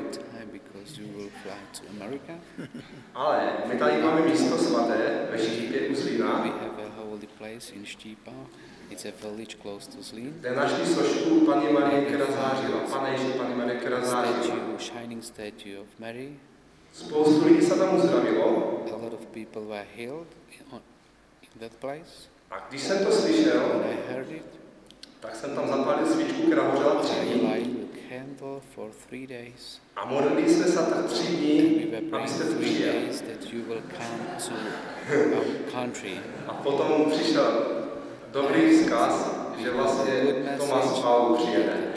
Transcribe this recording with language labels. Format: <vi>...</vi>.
<en>Time because you will fly to America.</en> <cs>Ale my tady máme místo svaté ve Štípě u Zlína.</cs> <en>We have a holy place in Štípa. It's a village close to Zlín.</en> <cs>Kde našli sošku Panny Marie, která zářila. Pane Ježíši, Panny Marie, která zářila.</cs> <en>Statue, shining statue of Mary.</en> <cs>Spoustu lidí se tam uzdravilo.</cs> <en>A lot of people were healed in that place.</en> <cs>A když jsem to slyšel,</cs> <en>I heard it,</en> <cs>tak jsem tam zapálil svíčku, která hořela 3 dny.</cs> <en>I light a candle for 3 days.</en> <cs>A modlili jsme se tak 3 dní, abyste tu přijel.</cs> <en>That you will come to our country.</en> <cs>A potom přišel dobrý vzkaz, že vlastně Thomas Paul přijede.</cs>